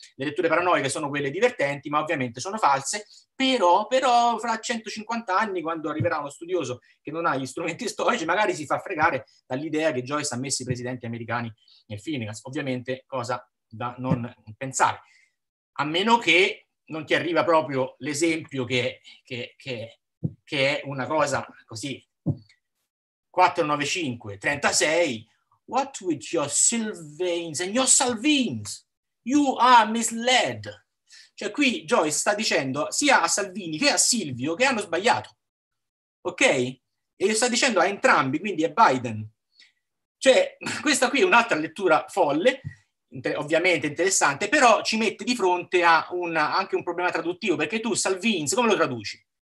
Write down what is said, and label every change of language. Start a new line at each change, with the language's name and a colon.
Italian: Le letture paranoiche sono quelle divertenti, ma ovviamente sono false, però fra 150 anni, quando arriverà uno studioso che non ha gli strumenti storici, magari si fa fregare dall'idea che Joyce ha messo i presidenti americani nel Finnegan. Ovviamente cosa da non pensare. A meno che non ti arriva proprio l'esempio che è una cosa così.
English: 495-36, what with your Sylvains and your Salvins? You are misled.
Italian: Cioè qui Joyce sta dicendo sia a Salvini che a Silvio che hanno sbagliato. Ok? E sta dicendo a entrambi, quindi a Biden. Cioè, questa qui è un'altra lettura folle, ovviamente interessante, però ci mette di fronte a anche un problema traduttivo, perché tu Salvini come lo traduci?